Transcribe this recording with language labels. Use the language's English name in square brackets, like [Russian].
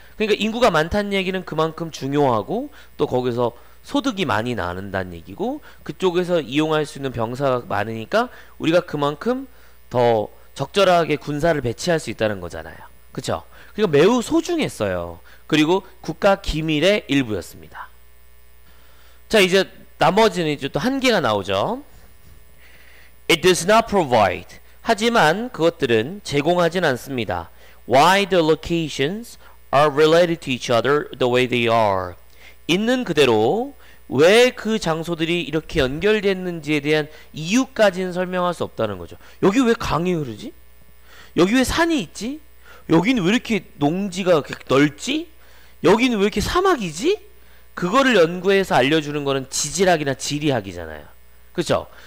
[Korean] 그러니까 인구가 많다는 얘기는 그만큼 중요하고 또 거기서 소득이 많이 나는다는 얘기고, 그쪽에서 이용할 수 있는 병사가 많으니까 우리가 그만큼 더 적절하게 군사를 배치할 수 있다는 거잖아요. 그쵸? 그러니까 매우 소중했어요. 그리고 국가 기밀의 일부였습니다. 자, 이제 나머지는 이제 또 한계가 나오죠. [English] It does not provide. [Korean] 하지만 그것들은 제공하진 않습니다. [English] Why the locations are related to each other the way they are. [Korean] 있는 그대로 왜 그 장소들이 이렇게 연결됐는지에 대한 이유까지는 설명할 수 없다는 거죠. 여기 왜 강이 흐르지? 여기 왜 산이 있지? 여기는 왜 이렇게 농지가 넓지? 여기는 왜 이렇게 사막이지? 그거를 연구해서 알려주는 거는 지질학이나 지리학이잖아요. 그렇죠?